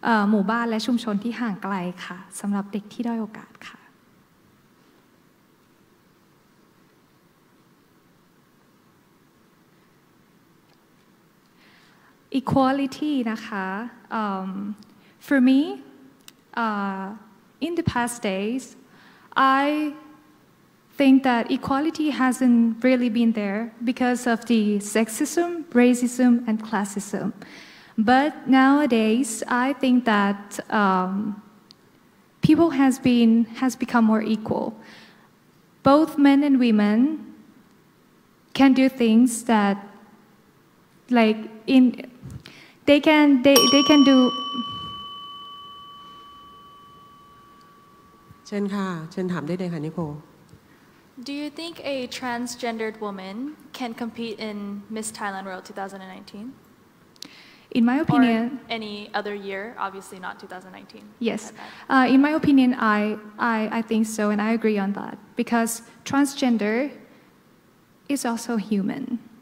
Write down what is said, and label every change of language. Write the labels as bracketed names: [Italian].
[Thai] หมู่บ้านและชุมชนที่ห่างไกลค่ะสำหรับเด็กที่ด้อยโอกาสค่ะ [English] equality นะคะfor meIn the past days, I think that equality hasn't really been there because of the sexism, racism, and classism. But nowadays, I think that people has become more equal. Both men and women can do things that, like, in they can do. [Thai] เชิญค่ะเชิญถามได้เลยค่ะนิโค [English] Do you think a transgendered woman can compete in Miss Thailand World 2019? In my opinion, or any other year, obviously not 2019. Yes. In my opinion, I think so, and I agree on that because transgender is also human.